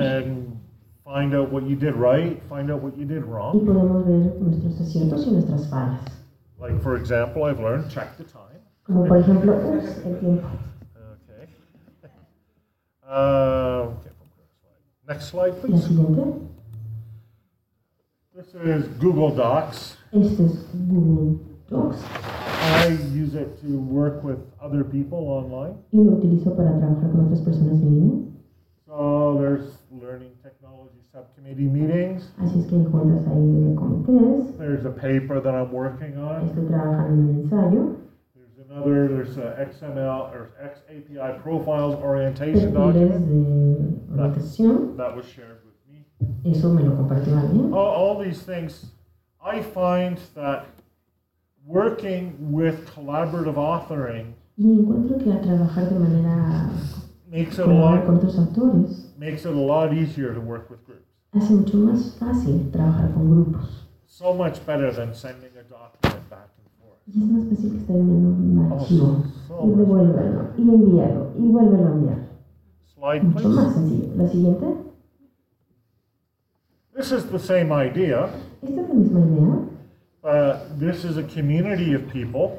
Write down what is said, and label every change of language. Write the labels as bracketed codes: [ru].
[en] And find out what you did right, find out what you did wrong. [es] Y podemos ver nuestros aciertos y nuestras fallas. [en] Like, for example, I've learned, check the time. [es] Como por ejemplo, ups, el tiempo. [en] Okay. Okay. Next slide, please. [es] La siguiente. [en] This is Google Docs. [es] Este es Google Docs. [en] I use it to work with other people online. [es] Y lo utilizo para trabajar con otras personas en línea. [en] So, there's learning technology subcommittee meetings. [es] Así es que encuentras ahí de comités. [en] There's a paper that I'm working on. [es] Estoy trabajando en un ensayo. [en] There's another, there's a XML or XAPI profiles orientation document. [es] Perfiles de orientación. [en] That was shared with me. [es] Eso me lo compartió alguien. [en] All these things, I find that working with collaborative authoring. [es] Y encuentro que a trabajar de manera [en] makes it a lot easier to work with groups. [es] Hace mucho más fácil trabajar con grupos. [en] So much better than sending a document back and forth. [es] Y es más fácil que estar enviando un archivo y devolverlo y enviarlo y volverlo a enviar. [en] Slide, [es] mucho Más sencillo. La siguiente. [en] This is the same idea. [es] Esta es la misma idea. [en] This is a community of people.